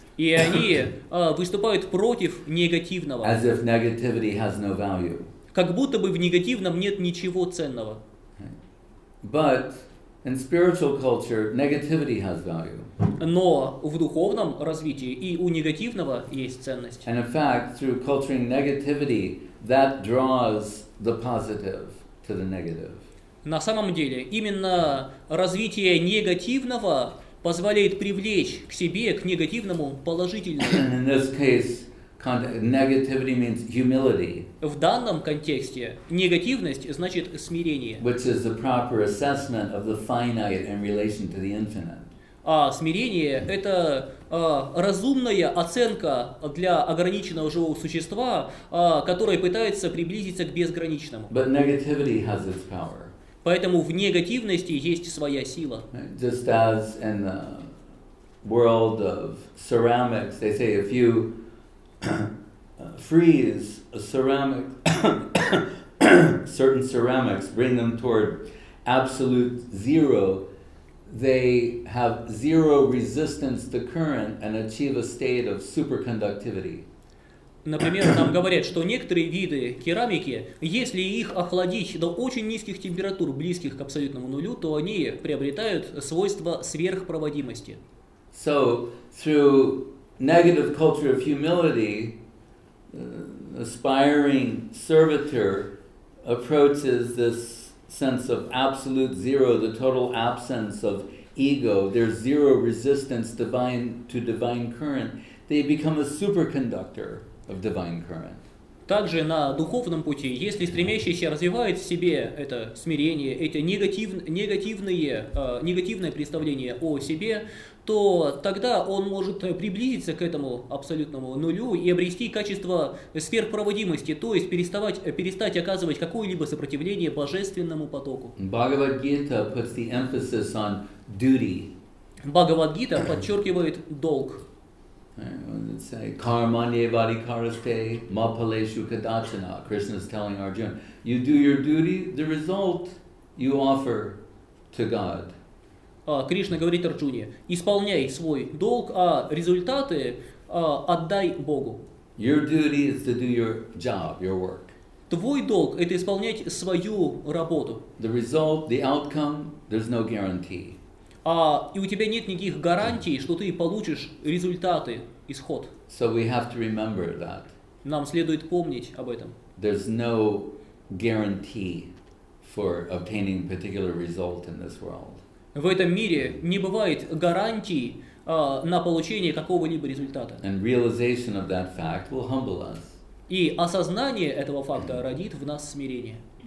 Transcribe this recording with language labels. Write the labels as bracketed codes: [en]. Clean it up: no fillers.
[ru] И они выступают против негативного. [en] As if negativity has no value. [ru] Как будто бы в негативном нет ничего ценного. [en] But in spiritual culture, negativity has value. [ru] Но в духовном развитии и у негативного есть ценность. [en] And in fact, through culturing negativity, that draws the positive to the negative. [ru] На самом деле, именно развитие негативного позволяет привлечь к себе, к негативному, положительное. [en] In this case, negativity means humility. [ru] В данном контексте негативность значит смирение. [en] Which is the proper assessment of the finite in relation to the infinite. [ru] А смирение — это разумная оценка для ограниченного живого существа, которое пытается приблизиться к безграничному. [en] But negativity has its power. [ru] Поэтому в негативности есть своя сила. [en] Just as in the world of ceramics, they say if you freeze a ceramic, certain ceramics, bring them toward absolute zero, they have zero resistance to current and achieve a state of superconductivity. [ru] Например, нам говорят, что некоторые виды керамики, если их охладить до очень низких температур, близких к абсолютному нулю, то они приобретают свойства сверхпроводимости. [en] So, through negative culture of humility, aspiring servitor approaches this sense of absolute zero, the total absence of ego. There's zero resistance to divine current. They become a superconductor of divine current. [ru] Также на духовном пути, если стремящийся развивает в себе это смирение, эти негативные представления о себе, то тогда он может приблизиться к этому абсолютному нулю и обрести качество сверхпроводимости, то есть перестать оказывать какое-либо сопротивление божественному потоку. Бхагавад-гита puts the emphasis on duty. Бхагавад-гита подчеркивает долг. [en] Let's say [sa] кармане вадикарасте мапалешу кадачана. [en] Krishna is telling Arjuna, you do your duty, the result you offer to God. [ru] Кришна говорит Арджуне, исполняй свой долг, а результаты отдай Богу. [en] Your duty is to do your job, your work. [ru] Твой долг — это исполнять свою работу. [en] The result, the outcome, there's no guarantee. [ru] И у тебя нет никаких гарантий, что ты получишь результаты, исход. [en] So we have to remember that. [ru] Нам следует помнить об этом. [en] There's no guarantee for obtaining a particular result in this world. [ru] В этом мире не бывает гарантий на получение какого-либо результата. [en] And realization of that fact will humble us. [ru] И осознание этого факта родит в нас смирение.